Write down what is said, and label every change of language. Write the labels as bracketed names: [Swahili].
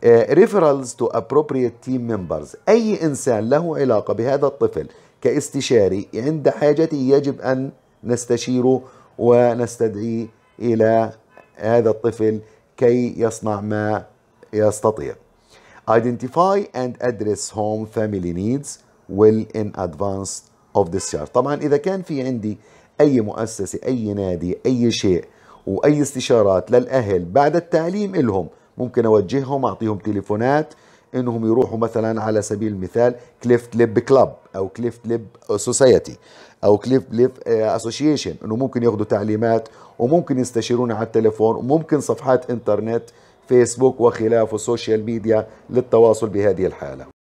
[English] referrals to appropriate team members [Arabic] اي انسان له علاقة بهذا الطفل كاستشاري عند حاجته يجب ان نستشيره ونستدعيه إلى هذا الطفل كي يصنع ما يستطيع. [English] Identify and address home family needs well in advance of discharge. [Arabic] طبعا إذا كان في عندي أي مؤسسة أي نادي أي شيء وأي استشارات للأهل بعد التعليم لهم ممكن أوجههم أعطيهم تليفونات إنهم يروحوا مثلا على سبيل المثال كليفت ليب كلاب أو كليفت ليب سوسايتي أو كليفت ليب أسوشيشن إنه ممكن يأخذوا تعليمات وممكن يستشيرون على التليفون وممكن صفحات انترنت فيسبوك وخلافه السوشيال ميديا للتواصل بهذه الحالة